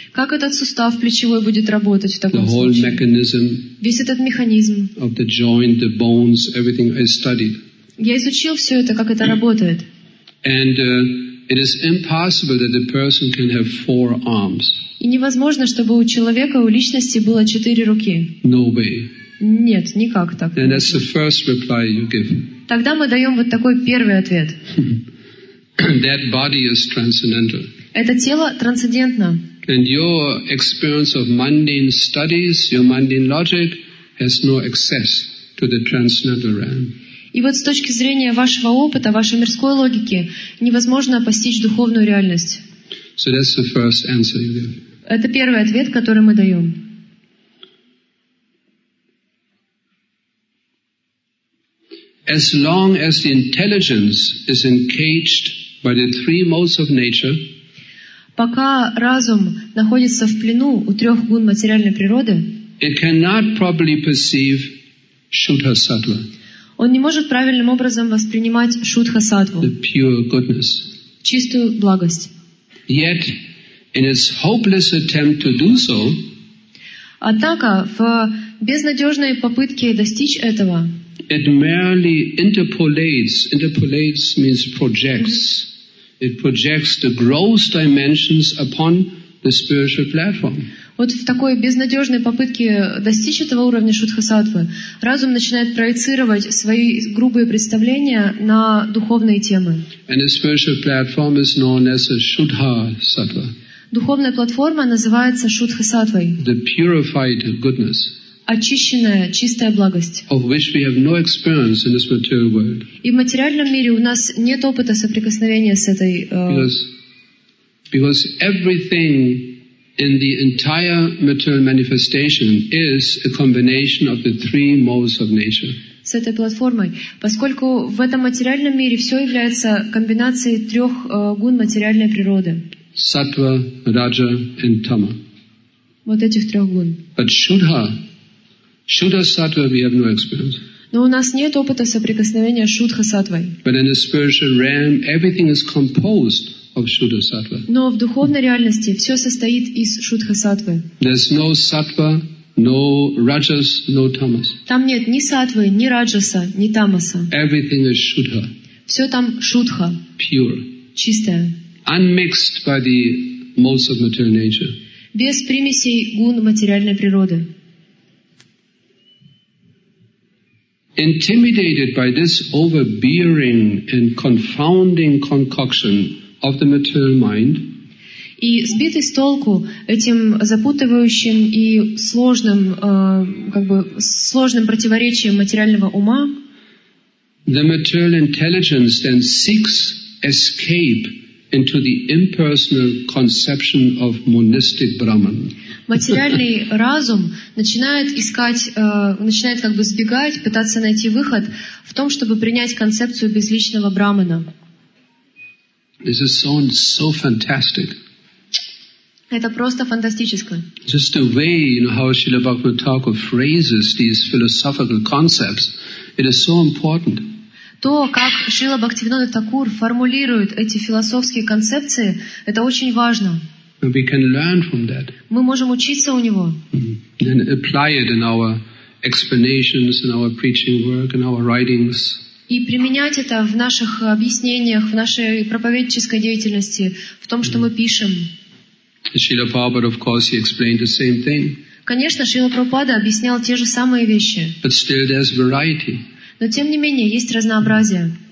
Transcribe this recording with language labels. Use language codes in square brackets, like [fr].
[ru] Как этот сустав плечевой будет работать в таком случае? [en] The whole mechanism. [ru] Весь этот механизм. [en] Of the joint, the bones, everything I studied. [ru] Я изучил все это, как это работает. [en] And it is impossible that a person can have four arms. [ru] И невозможно, чтобы у человека, у личности было четыре руки. [en] No way. [ru] Нет, никак так. [en] And that's the first reply you give. [ru] Тогда мы даем вот такой первый ответ. [en] That body is transcendental. [ru] Это тело трансцендентно. [en] And your experience of mundane studies, your mundane logic has no access to the transcendental realm. [ru] И вот с точки зрения вашего опыта, вашей мирской логики, невозможно постичь духовную реальность. [en] So that's the first answer you give. [ru] Это первый ответ, который мы даем. [en] As long as the intelligence is encaged by the three modes of nature, [ru] пока разум находится в плену у трех гун материальной природы, [en] it cannot properly perceive Shuddha Sattva. [ru] Он не может правильным образом воспринимать шудха-сатву, [en] the pure goodness. [ru] Чистую благость. [en] Yet, in its hopeless attempt to do so, [ru] однако, в безнадежной попытке достичь этого, [en] it merely interpolates. Interpolates means projects. It projects the gross dimensions upon the spiritual platform. [ru] вот в такой безнадежной попытке достичь этого уровня шудха-саттвы, разум начинает проецировать свои грубые представления на духовные темы. [en] And a spiritual platform is known as a shudha-sattva. [ru] Духовная платформа называется шудха-саттвой. [en] The purified goodness. [ru] Очищенная, чистая благость. [en] Of which we have no experience in this material world. [ru] И в материальном мире у нас нет опыта соприкосновения с этой... [en] Because everything in the entire material manifestation is a combination of the three modes of nature. [ru] С этой платформой, поскольку в этом материальном мире все является комбинацией трех гун материальной природы. Саттва, раджа и тама. Вот этих трех гун. [en] But шудха-саттва we have no experience. [ru] Но у нас нет опыта соприкосновения шудха-саттвой. [en] But in the spiritual realm, everything is composed. [ru] Но в духовной реальности все состоит из шудха-саттвы. [en] There's no sattva, no rajas, no tamas. [ru] Там нет ни саттвы, ни раджаса, ни тамаса. [en] Everything is shuddha. [ru] Все там шудха. [en] Pure. [ru] Чистое. [en] Unmixed by the modes of material nature. [ru] Без примесей гун материальной природы. [en] Intimidated by this overbearing and confounding concoction of the material mind. [ru] И сбитый с толку этим запутывающим и сложным, как бы сложным противоречием материального ума. [en] The material intelligence then seeks escape into the impersonal conception of monistic Brahman. [ru] Материальный разум начинает искать, начинает как бы сбегать, пытаться найти выход в том, чтобы принять концепцию безличного Брахмана. [en] This is so fantastic. [ru] Это просто фантастическое. [en] Just the way, you know, how Srila Bhakti Thakur phrases these philosophical concepts, it is so important. [ru] То, как Шрила Бхактивинода Такур формулирует эти философские концепции, это очень важно. [en] We can learn from that. [ru] Мы можем учиться у него. [en] And apply it in our explanations, in our preaching work, in our writings. [ru] И применять это в наших объяснениях, в нашей проповеднической деятельности, в том, что мы пишем. [en] Шрила Прабхупада, of course, he explained the same thing. [ru] Конечно, Шрила Прабхупада объяснял те же самые вещи. [en] But still there's variety. [ru] Но тем не менее есть разнообразие.